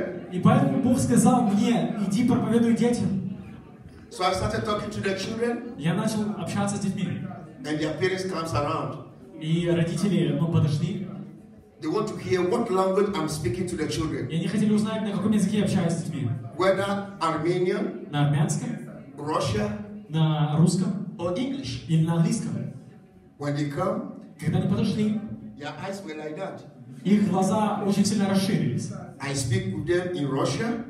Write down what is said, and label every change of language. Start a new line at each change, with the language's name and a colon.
Russian: И поэтому Бог сказал мне: иди проповедуй детям.
English: So I started talking to the children.
Russian: Я начал общаться с детьми.
English: And their parents comes around.
Russian: И родители, ну, подошли.
English: They want to hear what language I'm speaking to the children.
Russian: И они хотели узнать, на каком языке я общаюсь с детьми.
English: Whether Armenian.
Russian: На армянском.
English: Russia.
Russian: На русском.
English: Or English.
Russian: Или на английском.
English: When they come.
Russian: Когда они подошли.
English: Your eyes were like that.
Russian: Их глаза очень сильно расширились.
English: I speak with them in Russia.